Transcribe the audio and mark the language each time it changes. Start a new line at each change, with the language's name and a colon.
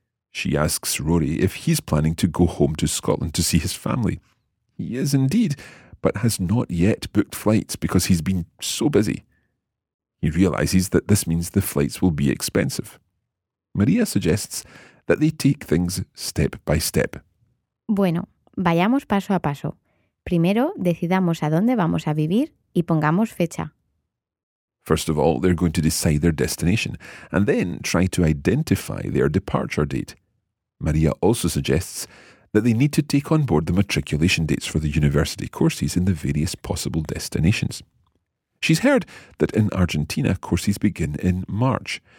English: She asks Rory if he's planning to go home to Scotland to see his family. He is indeed, but has not yet booked flights because he's been so busy. He realises that this means the flights will be expensive. María suggests that they take things step by step.
Spanish: Bueno, vayamos paso a paso. Primero, decidamos a dónde vamos a vivir y pongamos fecha.
English: First of all, they're going to decide their destination and then try to identify their departure date. María also suggests that they need to take on board the matriculation dates for the university courses in the various possible destinations. She's heard that in Argentina, courses begin in March.